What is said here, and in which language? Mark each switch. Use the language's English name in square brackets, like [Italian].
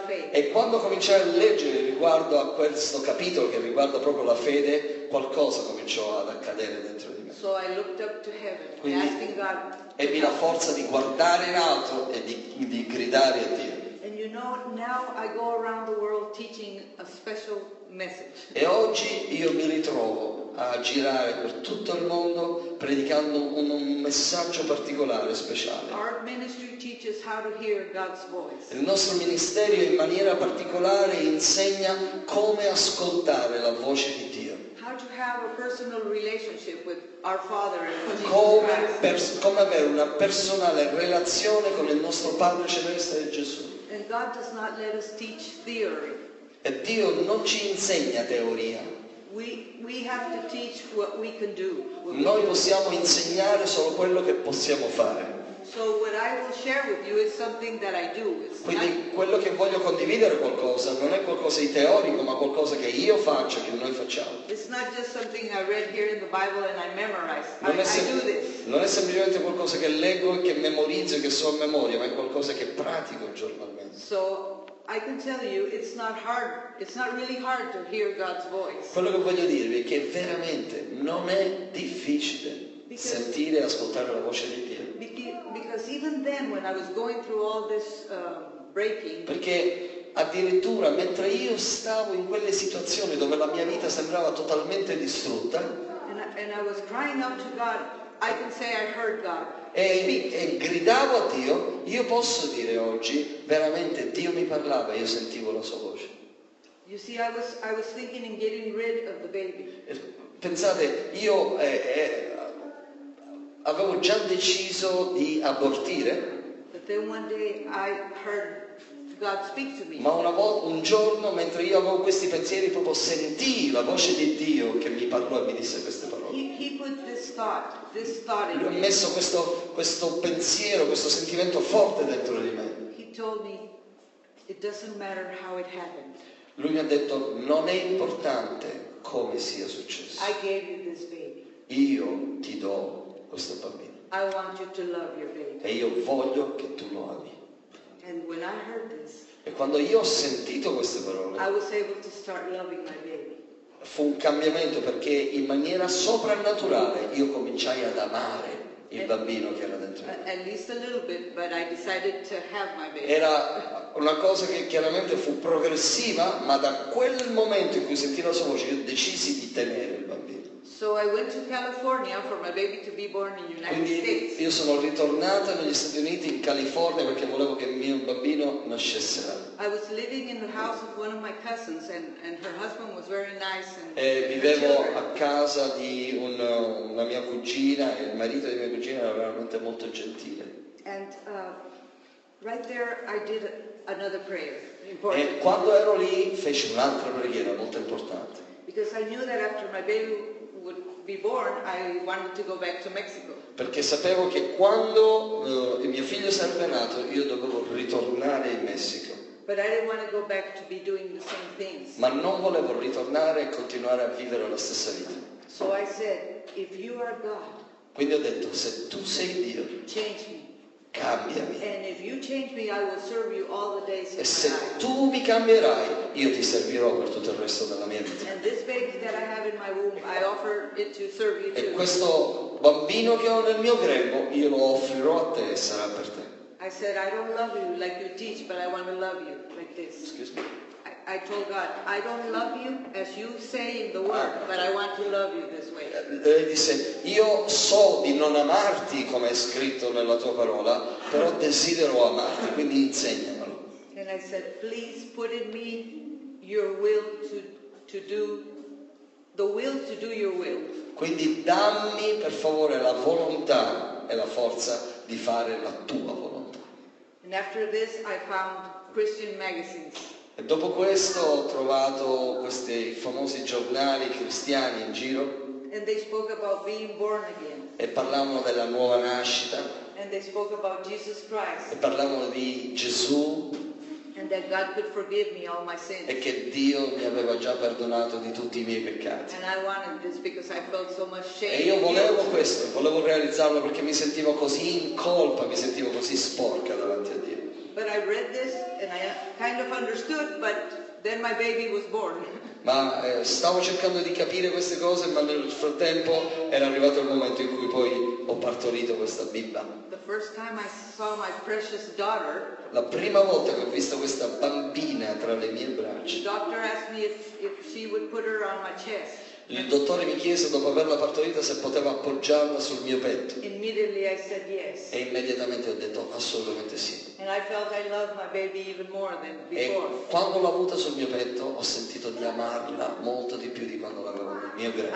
[Italian] E quando cominciai a leggere riguardo a questo capitolo che riguarda proprio la fede, qualcosa cominciò ad accadere dentro di me. [English] So I looked up to heaven, quindi asking God, [Italian] ebbi la forza di guardare in alto e di gridare a Dio. [English] And you know, now I go around the world teaching a special message. [Italian] E oggi io mi ritrovo a girare per tutto il mondo predicando un messaggio particolare, speciale. [English] Our ministry teaches how to hear God's voice. [Italian] Il nostro ministero in maniera particolare insegna come ascoltare la voce di Dio. [English] How to have a personal relationship with our Father and Jesus Christ. [Italian] Come avere una personale relazione con il nostro Padre Celeste e Gesù. [English] And God does not let us teach theory. [Italian] E Dio non ci insegna teoria. [English] We have to teach what we can do. [Italian] Noi possiamo insegnare solo quello che possiamo fare. [English] So what I will share with you is something that I do. [Italian] Quindi quello che voglio condividere qualcosa non è qualcosa di teorico, ma qualcosa che io faccio, che noi facciamo. [English] It's not just something I read here in the Bible and I memorize. I do this. [Italian] Non è semplicemente qualcosa che leggo e che memorizzo e che so a memoria, ma è qualcosa che pratico giornalmente. [English] So I can tell you it's not hard. It's not really hard to hear God's voice. [Italian] Quello che voglio dirvi è che veramente non è difficile sentire e ascoltare la voce di Dio. [English] Because even then when I was going through all this breaking, [Italian] perché addirittura mentre io stavo in quelle situazioni dove la mia vita sembrava totalmente distrutta, [English] and I was crying out to God, I can say I heard God. [Italian] E gridavo a Dio, io posso dire oggi veramente Dio mi parlava, io sentivo la sua voce. [English] You see, I was thinking in getting rid of the baby. [Italian] Pensate, io avevo già deciso di abortire. [English] But then one day I heard God speak to me. [Italian] Ma un giorno mentre io avevo questi pensieri proprio sentii la voce di Dio che mi parlò e mi disse queste parole. [English] He put this thought in me. [Italian] Lui ha messo questo pensiero, questo sentimento forte dentro di me. [English] He told me it doesn't matter how it happened. [Italian] Lui mi ha detto non è importante come sia successo. [English] I gave you this baby. [Italian] Io ti do questo bambino. [English] I want you to love your baby. [Italian] E io voglio che tu lo ami. [English] And when I heard this, [Italian] e quando io ho sentito queste parole, [English] I was able to start loving my baby. [Italian] Fu un cambiamento perché in maniera soprannaturale io cominciai ad amare il bambino che era dentro me. [English] At least a little bit, but I decided to have my baby. [Italian] Era una cosa che chiaramente fu progressiva, ma da quel momento in cui sentì la sua voce io decisi di tenere il bambino. [English] So I went to California for my baby to be born in United [Italian] Quindi [English] States. [Italian] Io sono ritornata negli Stati Uniti in California perché volevo che il mio bambino nascesse là. [English] I was living in the house of one of my cousins and her husband was very nice and [Italian] e vivevo a casa di una mia cugina e il marito di mia cugina era veramente molto gentile. [English] And right there I did another prayer. [Italian] E quando ero lì feci un'altra preghiera molto importante. [English] Because I knew that after my baby would be born I wanted to go back to Mexico. [Italian] Perché sapevo che quando il mio figlio sarebbe nato io dovevo ritornare in Messico. [English] But I didn't want to go back to be doing the same things. [Italian] Ma non volevo ritornare e continuare a vivere la stessa vita. [English] So I said, if you are God, [Italian] quindi ho detto, se tu sei Dio, [English] change me. [Italian] Cambiami. [English] And if you change me, I will serve you all the days of my life. [Italian] E se tu mi cambierai, io ti servirò per tutto il resto della mia vita. [English] And this baby that I have in my womb, I offer it to serve you too. [Italian] E questo bambino che ho nel mio grembo, io lo offrirò a te e sarà per te. [English] I said, I don't love you like you teach, but I want to love you like this. Excuse me. I told God, I don't love you as you say in the word, but I want to love you this way. [Italian] Lei disse, io so di non amarti come è scritto nella tua parola, però desidero amarti, quindi insegnamelo. [English] And I said, please put in me your will to do the will to do your will. [Italian] Quindi dammi per favore la volontà e la forza di fare la tua volontà. [English] And after this I found Christian magazines. [Italian] E dopo questo ho trovato questi famosi giornali cristiani in giro. [English] And they spoke about being born again. [Italian] E parlavano della nuova nascita. [English] And they spoke about Jesus Christ. [Italian] E parlavano di Gesù. [English] And that God could forgive me all my sins. [Italian] E che Dio mi aveva già perdonato di tutti i miei peccati. [English] And I wanted this because I felt so much shame. [Italian] E io volevo questo, volevo realizzarlo perché mi sentivo così in colpa, mi sentivo così sporca davanti a Dio. [English] But I read this and I kind of understood, but then my baby was born. [Italian] Ma stavo cercando di capire queste cose, ma nel frattempo era arrivato il momento in cui poi ho partorito questa bimba. [English] The first time I saw my precious daughter, [Italian] la prima volta che ho visto questa bambina tra le mie braccia, [English] the doctor asked me if she would put her on my chest. [Italian] Il dottore mi chiese dopo averla partorita se poteva appoggiarla sul mio petto. [English] Immediately I said yes. [Italian] E immediatamente ho detto assolutamente sì. [English] And I felt I loved my baby even more than before. [Italian] E quando l'ho avuta sul mio petto ho sentito di amarla molto di più di quando l'avevo nel mio grembo.